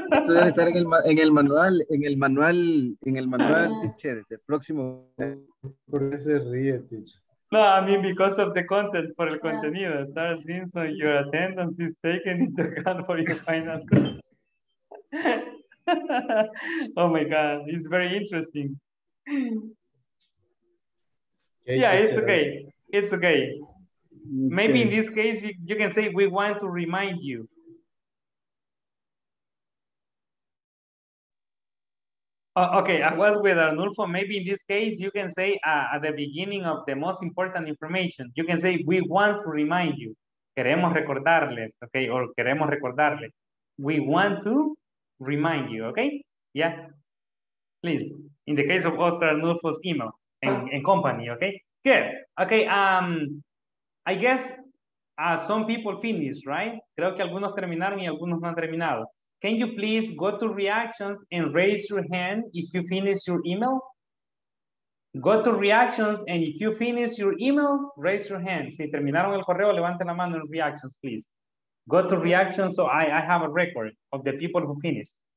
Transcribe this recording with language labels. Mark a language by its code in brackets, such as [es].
[es] Esto debe estar en el manual, teacher, del próximo. ¿Por qué se ríe, teacher? [en] No, I mean, because of the content, [es] por el contenido. [en] Sarah Simpson, your attendance is taken into account for your final. Oh my God, it's very interesting. Yeah, it's okay. It's okay. Maybe in this case, you can say, we want to remind you. Okay, I was with Arnulfo. Maybe in this case, you can say at the beginning of the most important information, you can say, we want to remind you. [es] Queremos recordarles, [en] okay? Or [es] queremos recordarle. [en] We want to remind you, okay? Yeah. Please, in the case of Oscar Arnulfo's email and company, okay? Good. Okay. I guess some people finished, right? [es] Creo que algunos terminaron y algunos no han terminado. [en] Can you please go to reactions and raise your hand if you finish your email? Go to reactions and if you finish your email, raise your hand. [es] Si terminaron el correo, levanten la mano en [en] reactions, please. Go to reactions so I have a record of the people who finished.